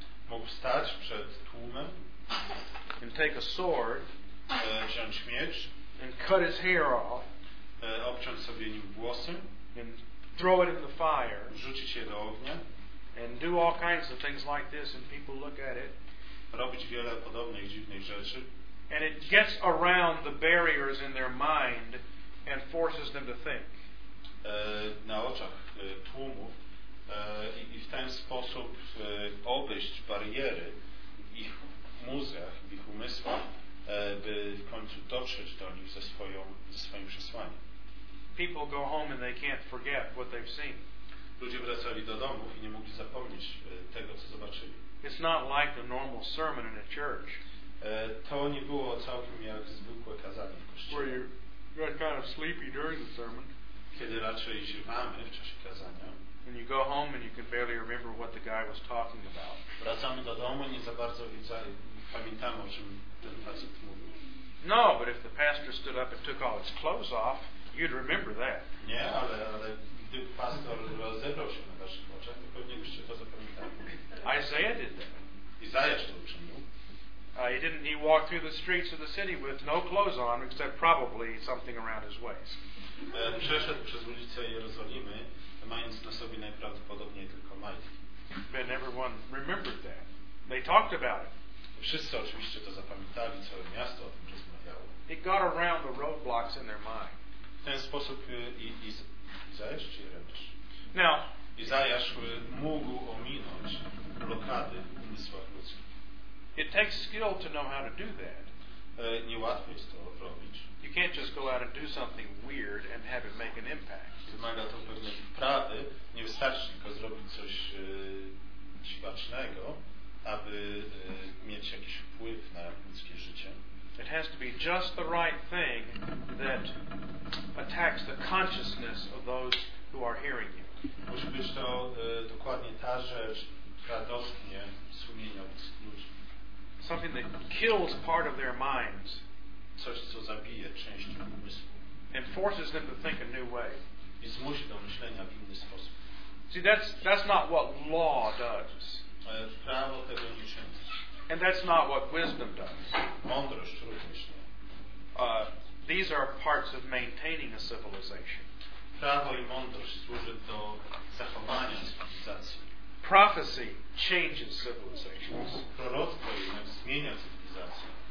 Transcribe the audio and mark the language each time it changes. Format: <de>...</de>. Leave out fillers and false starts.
<pl>Mógł stać przed tłumem.</pl> <en>And take a sword.</en> <pl>Wziąć miecz.</pl> <en>And cut his hair off.</en> <pl>Obciąć sobie nim włosy.</pl> <en>And throw it in the fire.</en> <pl>Rzucić je do ognia.</pl> <en>And do all kinds of things like this, and people look at it.</en> <pl>Robić wiele podobnych, dziwnych rzeczy.</pl> <en>And it gets around the barriers in their mind and forces them to think.</en> <pl>Na oczach tłumów i w ten sposób obejść bariery w ich mózgach, w ich umysłach, by w końcu dotrzeć do nich ze swoim przesłaniem.</pl> <en>People go home and they can't forget what they've seen.</en> <pl>Ludzie wracali do domów i nie mogli zapomnieć tego, co zobaczyli.</pl> <en>It's not like the normal sermon in a church.</en> <pl>To nie było całkiem jak zwykłe kazanie w kościele.</pl> <en>Where you're kind of sleepy during the sermon.</en> <pl>Kiedy raczej ziewamy w czasie kazania.</pl> <en>And you go home and you can barely remember what the guy was talking about.</en> <pl>Wracamy do domu i nie za bardzo pamiętamy, o czym ten facet mówił.</pl> <en>No, but if the pastor stood up and took all his clothes off, you'd remember that.</en> <pl>Nie, ale gdy pastor rozebrał się na waszych oczach, to pewnie byście to zapamiętali.</pl> <en>Isaiah did that.</en> <pl>Izajasz to uczynił.</pl> <en>He walked through the streets of the city with no clothes on, except probably something around his waist.</en> <pl>Przeszedł przez ulicę Jerozolimy, mając na sobie najprawdopodobniej tylko majtki.</pl> <en>But everyone remembered that. They talked about it.</en> <pl>Wszyscy oczywiście to zapamiętali, całe miasto o tym rozmawiało.</pl> <en>It got around the roadblocks in their mind.</en> <pl>W ten sposób Izajasz czy Jeremiasz?</pl> <en>Now,</en> <pl>Izajasz mógł ominąć blokady umysłów ludzkich.</pl> <en>It takes skilled to know how to do that.</en> <pl>Nie łatwo jest to robić.</pl> <en>You can't just go out and do something weird and have it make an impact.</en> <pl>Wymaga to pewnej wprawy. Nie wystarczy tylko zrobić coś dziwacznego, aby mieć jakiś wpływ na ludzkie życie.</pl> <en>It has to be just the right thing that attacks the consciousness of those who are hearing you.</en> <pl>Musi być to dokładnie ta rzecz, która dotknie sumienia ludzi.</pl> <en>Something that kills part of their minds.</en> <pl>Coś, co zabije część umysłu.</pl> <en>And forces them to think a new way.</en> <pl>I zmusi do myślenia w inny sposób.</pl> <en>See, that's not what law does.</en> <pl>Prawo tego nie czyni.</pl> <en>And that's not what wisdom does.</en> <pl>Mądrość również nie.</pl> <en>These are parts of maintaining a civilization.</en> <pl>Prawo i mądrość służy do zachowania cywilizacji.</pl> <en>Prophecy changes civilizations.</en> <pl>Proroctwo jednak zmienia cywilizację.</pl>